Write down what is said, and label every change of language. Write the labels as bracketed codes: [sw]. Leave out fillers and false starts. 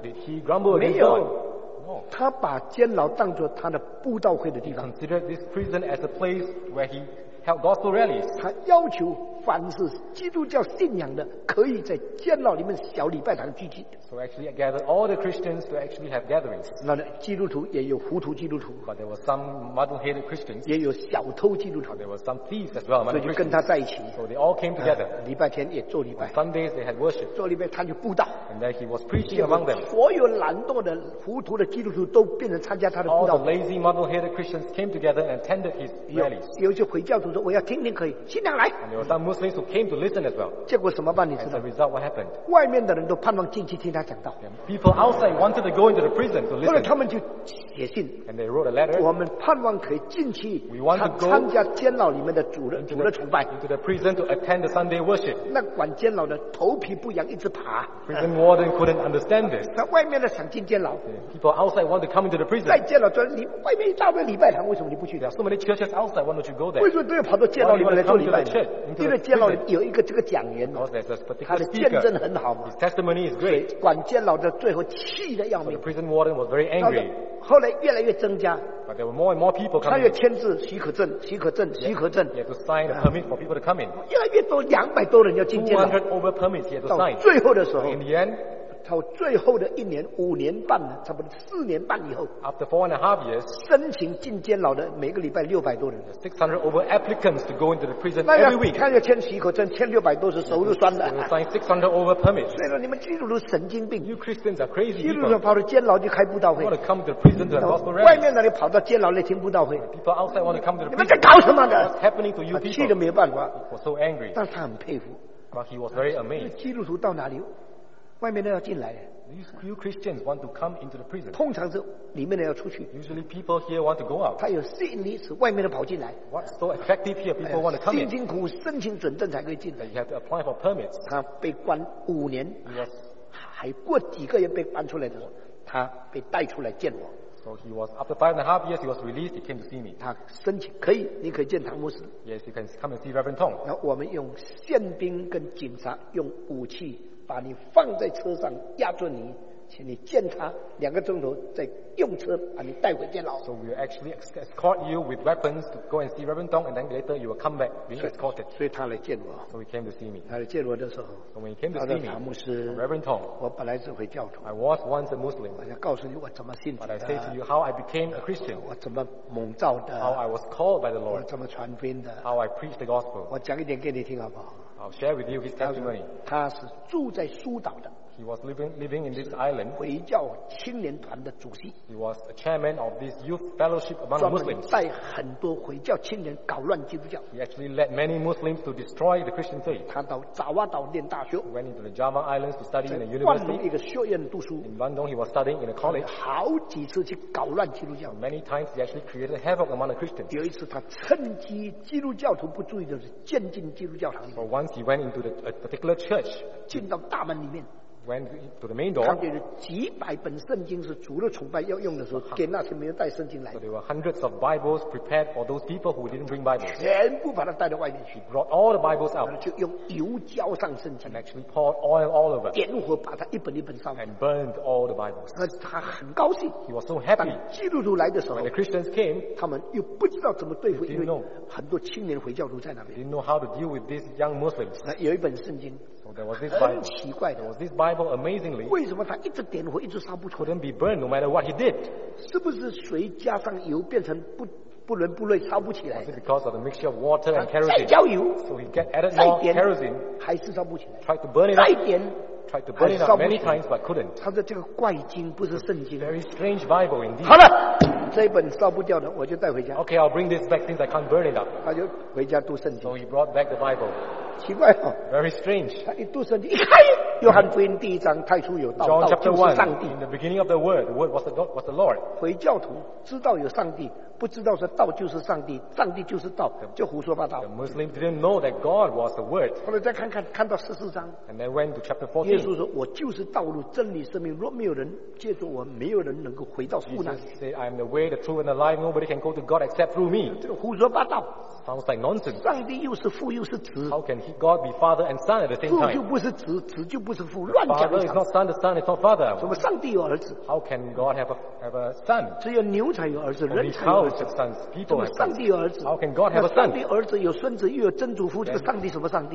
[en] Did he grumble against God? No. He considered this prison as a place where he held gospel rallies. [zh] 他要求 凡是基督教信仰的可以在监牢里面小礼拜堂聚集。 [en] So actually gathered all the Christians to actually have gatherings. [zh] 基督徒也有糊涂基督徒。 [en] But there were some muddle-headed Christians. [zh] 也有小偷基督徒。 [en] But there were some thieves as well. [zh] 所以就跟他在一起。 [en] So they all came together. [zh] 礼拜天也做礼拜。 [en] On Sundays they had worship. [zh] 做礼拜他就布道。 [en] And then he was preaching among them. [zh] 所有懒惰的糊涂的基督徒都变成参加他的布道。 [en] All the lazy muddle-headed Christians came together and attended his rallies. [zh] 有些回教徒说我要听听可以，新娘来。 [en] And there were some Muslims who came to listen as well. [zh] 结果怎么办你知道？ [en] And as a result, what happened? [zh] 外面的人都盼望进去听他讲道。 [en] People outside wanted to go into the prison to listen. [zh] 后来他们就写信, [en] and they wrote a letter. [zh] 我们盼望可以进去, [en] we want to go [zh] 参加监牢里面的主的崇拜, [en] into the prison to attend the Sunday worship. [zh] 那管监牢的头皮不痒, 一直爬。 [en] Prison warden couldn't understand this. [zh] 那外面的想进监牢。 [en] People outside want to come into the prison. [zh] 在监牢专里, 外面一大堆礼拜堂, 为什么你不去? [en] There are so many churches outside, why don't you go there? [zh] 为什么都要跑到监牢里面来做礼拜? [en] Why do you want to come to the church? Into the prison. Because there's a particular speaker. His testimony is great. [zh] 监牢的最后气得要命。 [en] The prison warden was very angry. [zh] 后来越来越增加。 [en] But there were more and more people coming. [zh] 他要签字许可证。 [en] He had to sign a permit for people to come in. [zh] 越来越多，200多人要进监牢。 [en] 200 over permits he had to sign. [zh] 到最后的时候。 [en] In the end, [zh] 他最后的一年五年半呢，差不多四年半以后 [en] After four and a half years, [zh] 申请进监牢的每个礼拜六百多人 [en] 600 over applicants to go into the prison every week [zh] 那要签许可证签六百多是手都酸的 [en] They will sign 600 over permits [zh] 所以说你们基督徒神经病 [en] You Christians are crazy [zh] 基督徒跑到监牢去开布道会 [en] You want to come to the prison to have gospel rest [zh] 外面哪里跑到监牢来听布道会 [en] People outside want to come to the prison [zh] 你们在搞什么的 [en] What's happening to you people [zh] 气得没有办法 [en] He was so angry [zh] 但他很佩服 [en] But he was very amazed [zh] 基督徒到哪里外面的要进来。 [en] These few Christians want to come into the prison. [zh] 通常是里面的要出去。 [en] Usually people here want to go out. [zh] 他有吸引力，使外面的跑进来。 [en] What's so attractive here? People want to come in. [zh] 辛辛苦苦申请准证才可以进来。 [en] You have to apply for permits. [zh] 他被关五年。 [en] Yes. [zh] 还过几个月被搬出来的时候，他被带出来见我。 [en] So he was after five and a half years, he was released. He came to see me. [zh] 他申请可以，你可以见唐牧师。 [en] Yes, you can come and see Reverend Tong. [zh] 那我们用宪兵跟警察用武器。把你放在车上压住你请你见他两个钟头再用车把你带回监牢 [en] So we actually escort you with weapons to go and see Reverend Tong and then later you will come back being escorted [zh] 所以他来见我 [en] So he came to see me [zh] 他来见我的时候 [en] So when he came to see me [zh] 唐牧师 [en] Reverend Tong [zh] 我本来是回教徒 [en] I was once a Muslim [zh] 我想告诉你我怎么信主的 [en] But I say to you how I became a Christian [zh] 我怎么蒙召的 [en] How I was called by the Lord [zh] 我怎么传福音的 [en] How I preached the gospel [zh] 我讲一点给你听好不好 [en] I'll share with you his testimony. [zh] 他是住在苏岛的。 [en] He was living in this island. [zh] 回教青年团的主席。 [en] He was a chairman of this youth fellowship among Muslims. [zh] 专门带很多回教青年搞乱基督教。 [en] He actually led many Muslims to destroy the Christian faith. [zh] 他到爪哇岛念大学。 [en] He went into the Java Islands to study in a university. [zh] 在万隆一个学院读书。 [en] In Bandung, he was studying in a college. [zh] 好几次去搞乱基督教。 [en] Many times he actually created havoc among the Christians. [zh] 有一次他趁机基督教徒不注意的是渐进基督教堂。 [en] For once, he went into a particular church. [zh] 进到大门里面。 [en] Went to the main door. [zh] 看见是几百本圣经是主日崇拜要用的时候，给那些没有带圣经来。 [en] So there were hundreds of Bibles prepared for those people who didn't bring Bibles. [zh] 全部把它带到外面去。 [en] He brought all the Bibles out. [zh] 就用油浇上圣经。 [en] And actually poured oil all over. [zh] 点火把它一本一本烧。 [en] And burned all the Bibles. [zh] 那他很高兴。 [en] He was so happy. [zh] 当基督徒来的时候 [en] ，When the Christians came, [zh] 他们又不知道怎么对付，因为很多青年回教徒在那边。 [en] Didn't know how to deal with these young Muslims. [zh] 那有一本圣经。 [en] So there was this Bible. [zh] 很奇怪的。 [en] There was this Bible. Amazingly, [zh] 为什么他一直点火一直烧不出 [en] couldn't be burned no matter what he did [zh] 是不是水加上油变成 不伦不类烧不起来 [en] was it because of the mixture of water and kerosene [zh] 再浇油 [en] so he added more kerosene [zh] 还是烧不起来 [en] tried to burn it [zh] 再点 [en] tried to burn it up many times but couldn't [zh] 他说这个怪经不是圣经 [en] very strange Bible indeed [zh] 好了这一本烧不掉的我就带回家 [en] okay I'll bring this back since I can't burn it up [zh] 他就回家读圣经 [en] so he brought back the Bible [zh] 奇怪哦 [en] very strange [zh] 他一读圣经一开约翰福音第一章太初有道 [en] John chapter [zh] 1 上帝 [en] in the beginning of the word was the Lord [zh] 回教徒知道有上帝不知道说道就是上帝上帝就是道就胡说八道 [en] the Muslim didn't know that God was the word [zh] 后来再看到14章 [en] and then went to chapter 14 [zh] 耶稣说我就是道路真理生命若没有人借着我没有人能够回到父那里 [en] Jesus said I am the way the truth and the life nobody can go to God except through me [zh] 胡说八道 [en] sounds like nonsense [zh] 上帝又是父又是子 [en] how can God be father and son at the same time [zh] 父就不是子子就不是父乱讲 [en] 的 father is not son the son is not father [zh] 什么上帝有儿子 [en] how can God have a son [zh] 只有牛才有儿子人才有儿子上帝有儿子 [en] How can God have a son? [zh] 上帝儿子有孙子又有曾祖父这个上帝什么上帝